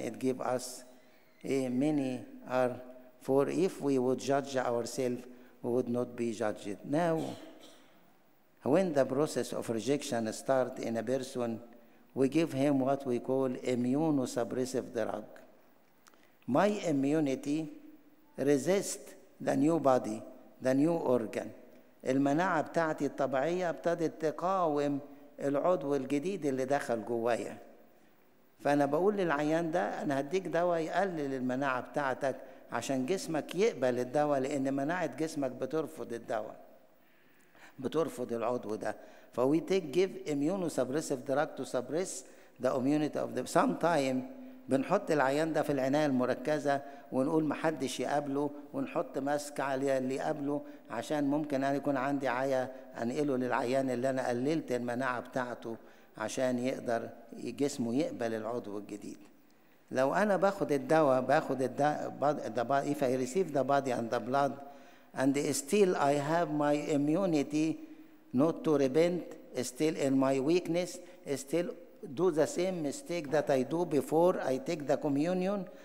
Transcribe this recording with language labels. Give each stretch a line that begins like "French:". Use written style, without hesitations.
English: It gives us many are, for if we would judge ourselves, we would not be judged. Now, when the process of rejection starts in a person, we give him what we call immunosuppressive drug. My immunity resists the new body, the new organ.
Arabic: المناعة بتاعتي الطبيعية ابتدت تقاوم العضو الجديد اللي دخل جوايا. فأنا بقول للعيان ده أنا هديك دواء يقلل المناعة بتاعتك عشان جسمك يقبل الدواء, لأن مناعة جسمك بترفض الدواء, بترفض العضو ده.
English: فwe take give immunosuppressive drug to suppress the immunity of the. Sometime
Arabic: بنحط العيان ده في العناية المركزة ونقول محدش يقابله ونحط ماسك عليه اللي يقابله عشان ممكن أن يكون عندي عيا أنقله للعيان اللي أنا قللت المناعة بتاعته عشان يقدر جسمه يقبل العضو الجديد. لو أنا باخد الدواء
English: باخد الدواء if I receive the body and the blood and still I have my immunity not to repent, still in my weakness, still do the same mistake that I do before I take the communion.